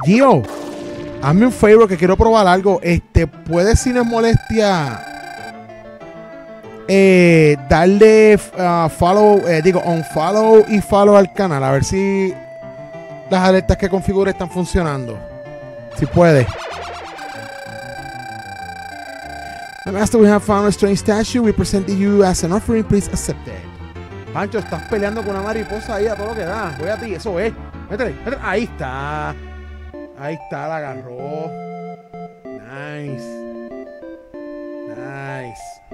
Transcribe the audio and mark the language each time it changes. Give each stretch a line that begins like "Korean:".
Spanish: Gio, hazme un favor que quiero probar algo. ¿Puedes, si no es molestia, darle follow, unfollow y follow al canal? A ver si las alertas que configure están funcionando. Si puedes.
English: The master, we have found a strange statue. We present to you as an offering. Please accept it.
Spanish: Pancho, estás peleando con una mariposa ahí a todo lo que da. Voy a ti, eso es. Métele, métele. Ahí está. Ahí está, la agarró.
English: Nice. Nice.